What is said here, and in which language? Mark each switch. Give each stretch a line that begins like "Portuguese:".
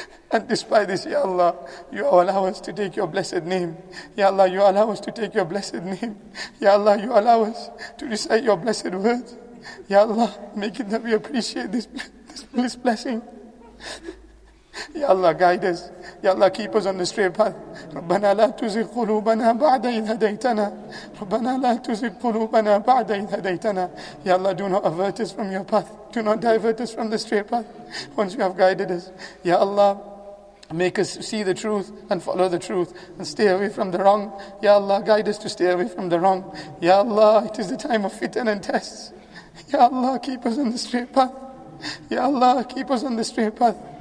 English: And despite this, Ya Allah, you allow us to take your blessed name. Ya Allah, you allow us to take your blessed name. Ya Allah, you allow us to recite your blessed words. Ya Allah, make it that we appreciate this blessing. Ya Allah, guide us. Ya Allah, keep us on the straight path.
Arabic: رَبَّنَا لَا تُزِغْ قُلُوبَنَا بَعْدَ إِذْ هَدَيْتَنَا رَبَّنَا لَا تُزِغْ قُلُوبَنَا بَعْدَ إِذْ هَدَيْتَنَا
English: Ya Allah, do not avert us from your path. Do not divert us from the straight path. Once you have guided us, Ya Allah, make us see the truth and follow the truth and stay away from the wrong. Ya Allah, guide us to stay away from the wrong. Ya Allah, it is the time of fitan and tests. Ya Allah, keep us on the straight path. Ya Allah, keep us on the straight path.